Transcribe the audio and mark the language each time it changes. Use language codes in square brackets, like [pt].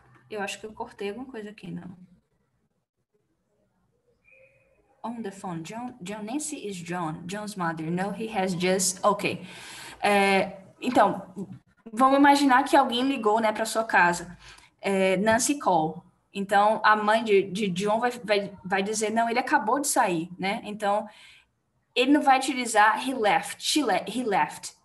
[pt] Eu acho que eu cortei alguma coisa aqui, não. [en] On the phone, Nancy is John, John's mother. No, he has just. Ok. [pt] Então, vamos imaginar que alguém ligou, né, para sua casa. [en] Nancy call. [pt] Então, a mãe de John vai dizer, não, ele acabou de sair, né? Então, ele não vai utilizar [en] he left, he left.